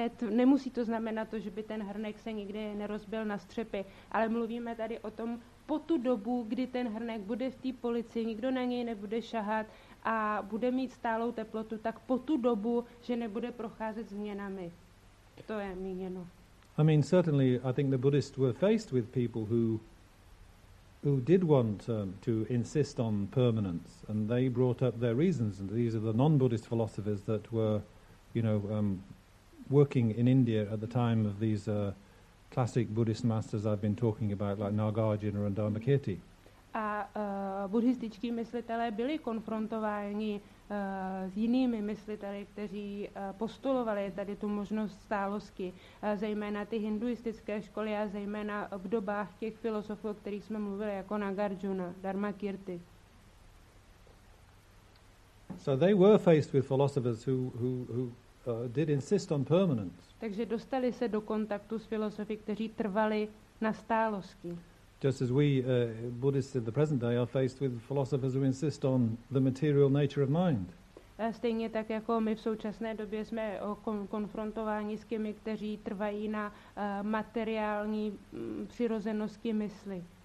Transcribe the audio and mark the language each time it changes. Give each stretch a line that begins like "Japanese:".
Czech: Nemusí to znamenat to, že by ten hrnek se nikdy nerozbil na střepy, ale mluvíme tady o tom, po tu dobu, kdy ten hrnek bude v té polici, nikdo na něj nebude šahat a bude mít stálou teplotu, tak po tu dobu, že nebude procházet změnami. To je míněno.
English: I mean, certainly, I think the Buddhists were faced with people who did want to insist on permanence, and they brought up their reasons, and these are the non-Buddhist philosophers that were, you know, working in India at the time of these classic Buddhist masters I've been talking about, like Nagarjuna and Dharmakirti.
Czech: A buddhističtí myslitelé byli konfrontováni s jinými mysliteli, kteří postulovali tady tu možnost stálosti, zejména ty hinduistické školy a zejména v dobách těch filozofů, o kterých jsme mluvili, jako Nagarjuna, Dharmakirti.
English: So they were faced with philosophers who did insist on permanence.
Czech: Takže dostali se do kontaktu s filozofy, kteří trvali na stálosti.
English: Just as we Buddhists in the present day are faced with philosophers who insist on the material nature of mind.
Czech: Stejně tak jako my v současné době jsme konfrontováni s těmi, kteří trvají na materiální přirozenosti mysli.